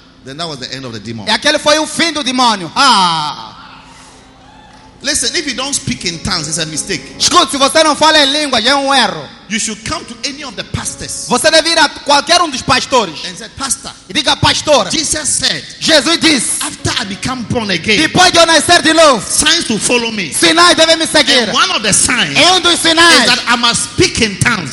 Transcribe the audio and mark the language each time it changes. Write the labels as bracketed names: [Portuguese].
[English] Then that was the end of the demon. [Portuguese] E aquele foi o fim do demônio. Ah. [English] Listen, if you don't speak in tongues, it's a mistake. [Portuguese] Escute, se você não fala em língua, é erro. [English] You should come to any of the pastors. [Portuguese] Você deve ir a qualquer dos pastores. [English] And said, pastor. [Portuguese] E diga, pastor. [English] Jesus said. [Portuguese] Jesus disse. [English] After I become born again. [Portuguese] Depois de eu nascer de novo. [English] Signs will follow me. [Portuguese] Sinais devem me seguir. [English] And one of the signs. [Portuguese] É dos sinais. [English] Is that I must speak in tongues.